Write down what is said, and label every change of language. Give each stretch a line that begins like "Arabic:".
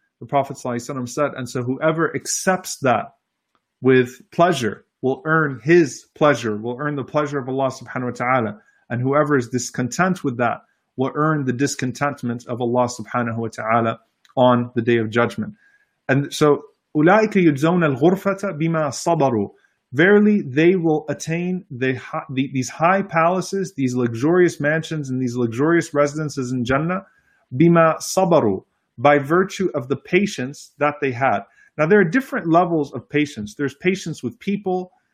English: The Prophet sallallahu alaihi wasallam said, and so whoever accepts that with pleasure will earn his pleasure, will earn the pleasure of Allah subhanahu wa ta'ala. And whoever is discontent with that will earn the discontentment of Allah subhanahu wa ta'ala on the day of judgment. And so,
Arabic: أُولَٰئِكَ يُجْزَوْنَ الْغُرْفَةَ بِمَا صَبَرُوا.
English: Verily, they will attain these high palaces, these luxurious mansions, and these luxurious residences in Jannah,
Arabic: بِمَا صَبَرُوا,
English: by virtue of the patience that they had. Now, there are different levels of patience. There's patience with people.